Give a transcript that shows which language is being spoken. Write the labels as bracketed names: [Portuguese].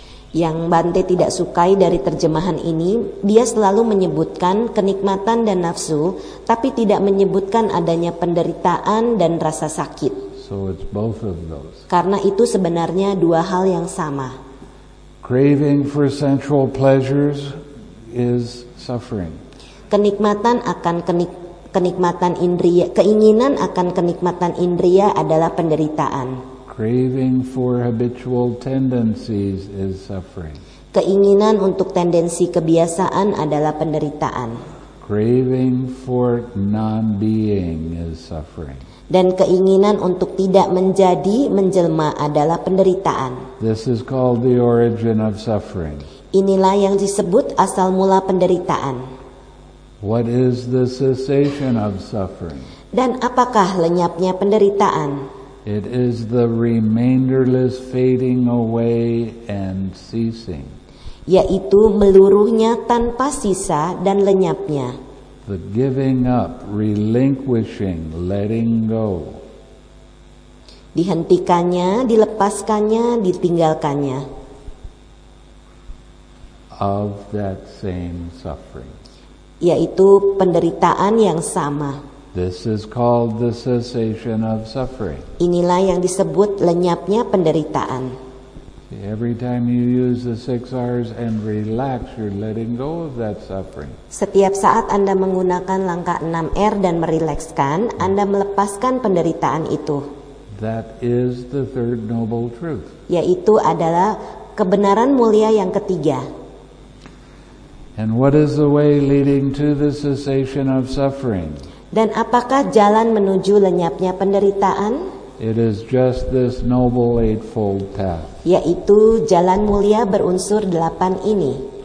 [Indonesian] Yang Bante tidak sukai dari terjemahan ini, dia selalu menyebutkan kenikmatan dan nafsu, tapi tidak menyebutkan adanya penderitaan dan rasa sakit. [English] So it's both of those. [Indonesian] Karena itu sebenarnya dua hal yang sama. [English] Craving for sensual pleasures is suffering. [Indonesian] Kenikmatan akan kenikmatan indria, keinginan akan kenikmatan indria adalah penderitaan. [English] Craving for habitual tendencies is suffering. [Indonesian] Keinginan untuk tendensi kebiasaan adalah penderitaan. [English] Craving for non-being is suffering. [Indonesian] Dan keinginan untuk tidak menjadi, menjelma adalah penderitaan. [English] This is called the origin of suffering. [Indonesian] Inilah yang disebut asal mula penderitaan. [English] What is the cessation of suffering? [Indonesian] Dan apakah lenyapnya penderitaan? [English] It is the remainderless fading away and ceasing. [Indonesian] Yaitu meluruhnya tanpa sisa dan lenyapnya. [English] The giving up, relinquishing, letting go. [Indonesian] Dihentikannya, dilepaskannya, ditinggalkannya. [English] Of that same suffering. [Indonesian] Yaitu penderitaan yang sama. [English] This is called the cessation of suffering. [Indonesian] Inilah yang disebut lenyapnya penderitaan. [English] Every time you use the six R's and relax, you're letting go of that suffering. [Indonesian] Setiap saat Anda menggunakan langkah 6 R dan merilekskan, Anda melepaskan penderitaan itu. [English] That is the third noble truth. [Indonesian] Yaitu adalah kebenaran mulia yang ketiga. [English] And what is the way leading to the cessation of suffering? [Indonesian] Dan apakah jalan menuju lenyapnya penderitaan? [English] It is just this noble eightfold path. [Indonesian] Yaitu jalan mulia berunsur delapan ini.